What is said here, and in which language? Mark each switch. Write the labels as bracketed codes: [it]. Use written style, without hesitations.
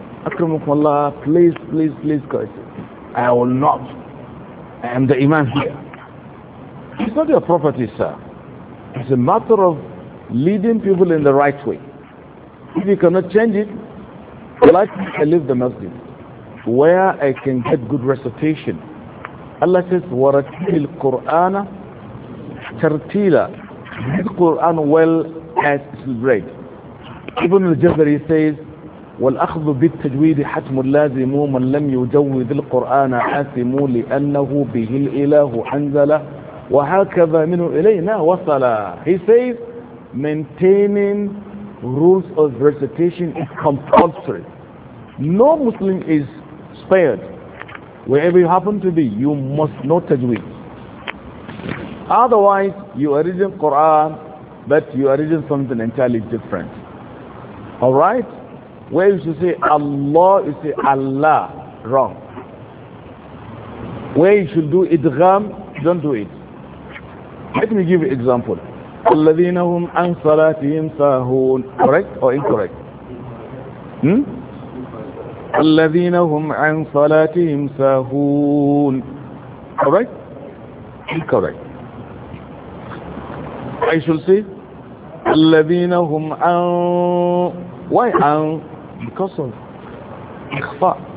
[ar] Akramukum Allah, [en] please, please, please, guys. I will not. I am the imam here. It's not your property, sir. It's a matter of leading people in the right way. If you cannot change it, like I leave the masjid where I can get good recitation. [ar] Allah says, وَرَتِّلِ الْقُرْآنَ تَرْتِيلَ. [en] Read the Quran well as it is read. [ar] Ibn al-Jabari says, وَالْأَخْذُ بِالتَّجْوِيدِ حَتْمٌ لَازِمٌ مَنْ لَمْ يُجَوِّذِ الْقُرْآنَ حَاسِمٌ لِأَنَّهُ بِهِ الْإِلَهُ أَنْزَلَ وَهَكَذَا مِنْهُ إِلَيْنَا وَصَلَى. [en] He says, maintaining rules of recitation is compulsory. No Muslim is spared. Wherever you happen to be, you must know tajweed. Otherwise, you are reading Quran, but you are reading something entirely different. All right? Where you should say Allah, you say Allah. Wrong. Where you should do idgham, don't do it. Let me give you an example. [ar] الذين هم عن صلاتهم ساهون. [en] Correct or incorrect? [ar] الذين هم عن صلاتهم ساهون. [en] Correct? Incorrect. I should say [ar] الذين هم عن. [en] Why عن? Because of إخفاء.